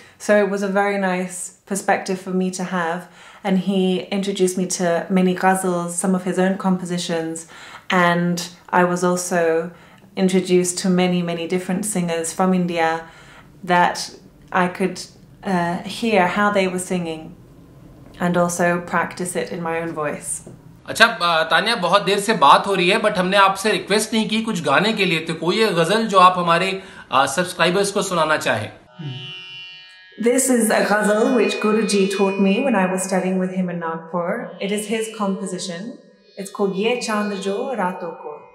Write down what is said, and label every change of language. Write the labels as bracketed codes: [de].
[en] So it was a very nice perspective for me to have. And he introduced me to many ghazals, some of his own compositions. And I was also introduced to many, many different singers from India that I could hear how they were singing and also practice it in my own voice. [hi] अच्छा तानिया, बहुत देर से बात हो रही है but हमने आपसे request नहीं की कुछ गाने के लिए, तो कोई एक गजल जो आप हमारे सब्सक्राइबर्स को सुनाना चाहें। [en] This is a ghazal which Guruji taught me when I was studying with him in Nagpur. It is his composition. It's called Ye Chand Jo Raaton Ko.